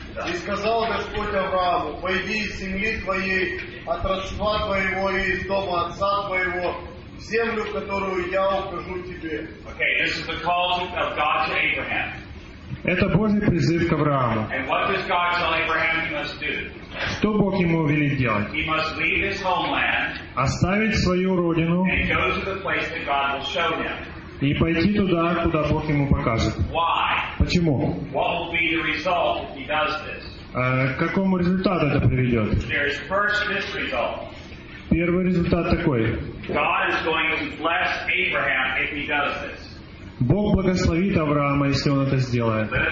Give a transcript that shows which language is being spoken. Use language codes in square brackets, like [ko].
[ru] И сказал Господь Аврааму: пойди из земли твоей, от родства твоего и из дома отца твоего, в землю, которую я укажу тебе. [en] Okay, this is the call of God to Abraham. [ru] Это Божий призыв к Аврааму. [en] And what does God tell Abraham he must do? [ru] Что Бог ему велит делать? [en] He must leave his homeland. [ru] Оставить свою родину. [en] And go to the place that God will show him. [ru] И пойти туда, куда Бог ему покажет. [en] Why? [ru] Почему? [en] What will be the result if he does this? [ru] К какому результату это приведет? [en] There is first this result. [ru] Первый результат такой. [en] God is going to bless Abraham if he does this. [ru] Бог благословит Авраама, если он это сделает.